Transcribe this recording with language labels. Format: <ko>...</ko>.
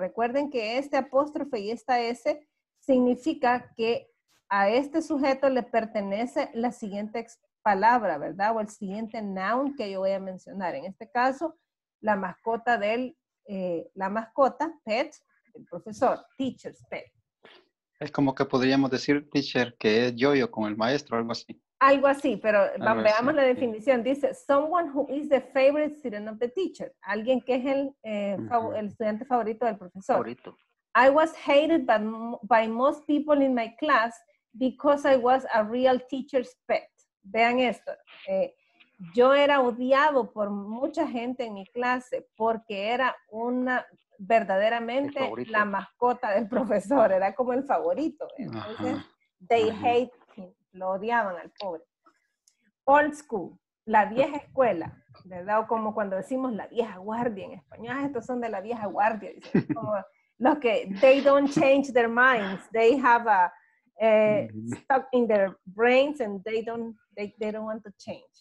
<es>Recuerden que este apóstrofe y esta S significa que a este sujeto le pertenece la siguiente palabra, ¿verdad? O el siguiente noun que yo voy a mencionar. En este caso, la mascota del, la mascota, pet, del profesor, teacher's pet. Es como que podríamos decir, teacher, que es yo-yo con el maestro, algo así. Algo así, pero vamos, veamos la definición. Dice,</es> <en>someone who is the favorite student of the teacher.</en> <es>Alguien que es el, el estudiante favorito del profesor. Favorito.</es> <en>I was hated by most people in my class because I was a real teacher's pet.</en> <es>Vean esto. Yo era odiado por mucha gente en mi clase porque era una verdaderamente la mascota del profesor. Era como el favorito. Entonces,</es> <en>they hate him.</en> <es>Lo odiaban al pobre.</es> <en>Old school.</en> <es>La vieja escuela. ¿Verdad? O como cuando decimos la vieja guardia en español. Estos son de la vieja guardia. Dicen como... Los que,</es> <en>they don't change their minds. They have a stuck in their brains and they don't want to change.</en>